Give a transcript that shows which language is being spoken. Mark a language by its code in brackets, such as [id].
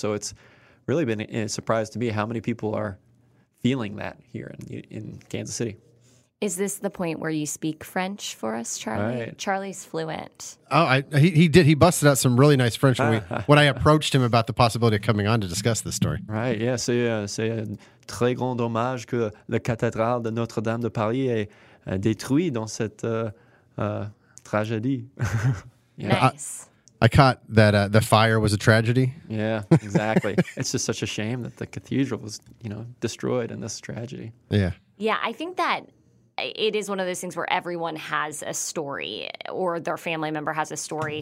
[en] So it's really been a surprise to me how many people are feeling that here in Kansas City. Is this the point where you speak French for us, Charlie? Right. Charlie's fluent. Oh, he did. He busted out some really nice French when I approached him about the possibility of coming on to discuss this story. Right, yeah. [fr] C'est un très grand dommage que la cathédrale de Notre-Dame de Paris ait détruit dans cette tragedy. [en] Yeah. Nice. I caught that the fire was a tragedy. Yeah, exactly. It's just such a shame that the cathedral was, you know, destroyed in this tragedy. Yeah. Yeah, I think that it is one of those things where everyone has a story or their family member has a story.